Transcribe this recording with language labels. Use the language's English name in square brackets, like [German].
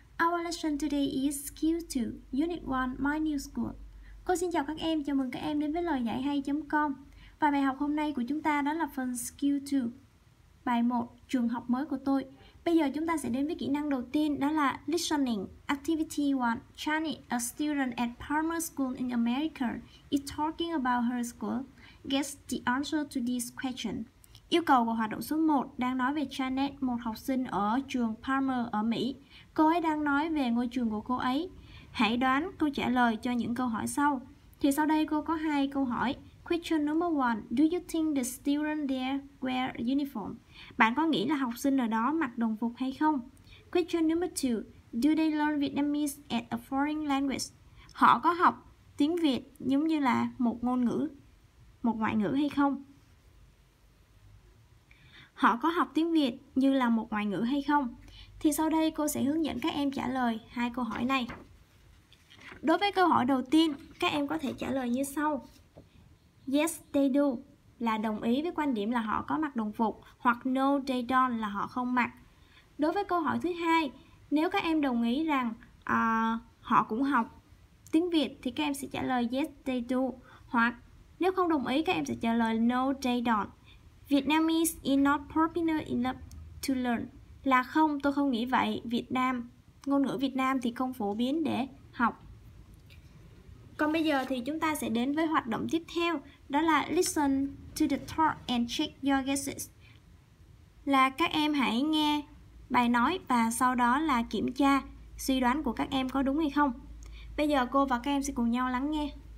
[English] Our lesson today is Skill 2, Unit 1, My New School. [Vietnamese] Cô xin chào các em, chào mừng các em đến với loiyayhay.com. Và bài học hôm nay của chúng ta đó là phần Skill 2. Bài 1, trường học mới của tôi. Bây giờ chúng ta sẽ đến với kỹ năng đầu tiên đó là Listening. [English] Activity 1, Chani, a student at Palmer School in America, is talking about her school. Guess the answer to this question. [Vietnamese] Yêu cầu của hoạt động số 1 đang nói về Janet, một học sinh ở trường Palmer ở Mỹ. Cô ấy đang nói về ngôi trường của cô ấy. Hãy đoán câu trả lời cho những câu hỏi sau. Thì sau đây cô có hai câu hỏi. [English] Question number 1. Do you think the student there wear a uniform? [Vietnamese] Bạn có nghĩ là học sinh ở đó mặc đồng phục hay không? [English] Question number 2. Do they learn Vietnamese as a foreign language? [Vietnamese] Họ có học tiếng Việt giống như là một ngôn ngữ, một ngoại ngữ hay không? Họ có học tiếng Việt như là một ngoại ngữ hay không? Thì sau đây cô sẽ hướng dẫn các em trả lời hai câu hỏi này. Đối với câu hỏi đầu tiên, các em có thể trả lời như sau. [English] Yes, they do [Vietnamese] là đồng ý với quan điểm là họ có mặc đồng phục, hoặc [English] no, they don't [Vietnamese] là họ không mặc. Đối với câu hỏi thứ hai, nếu các em đồng ý rằng họ cũng học tiếng Việt thì các em sẽ trả lời [English] yes, they do, [Vietnamese] hoặc nếu không đồng ý các em sẽ trả lời [English] no, they don't. Vietnamese is not popular enough to learn. [Vietnamese] Là không, tôi không nghĩ vậy. Việt Nam, ngôn ngữ Việt Nam thì không phổ biến để học. Còn bây giờ thì chúng ta sẽ đến với hoạt động tiếp theo. Đó là [English] listen to the talk and check your guesses. [Vietnamese] Là các em hãy nghe bài nói và sau đó là kiểm tra suy đoán của các em có đúng hay không. Bây giờ cô và các em sẽ cùng nhau lắng nghe.